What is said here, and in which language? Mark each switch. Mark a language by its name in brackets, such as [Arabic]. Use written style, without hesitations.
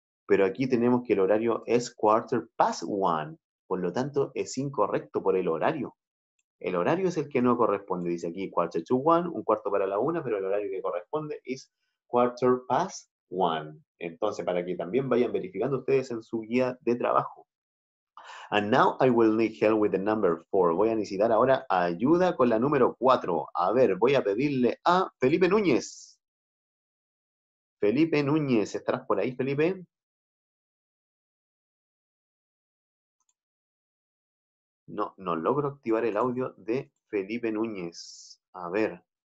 [Spanish] Pero aquí tenemos que el horario es 1:15. Por lo tanto, es incorrecto por el horario. El horario es el que no corresponde. Dice aquí 9:45, 1:15, pero el horario que corresponde es 1:15. Entonces, para que también vayan verificando ustedes en su guía de trabajo. [English] And now I will need help with the number 4. [Spanish] Voy a necesitar ahora ayuda con la número 4. A ver, voy a pedirle a Felipe Núñez. Felipe Núñez, ¿estás por ahí, Felipe? No logro activar el audio de Felipe Núñez. A ver.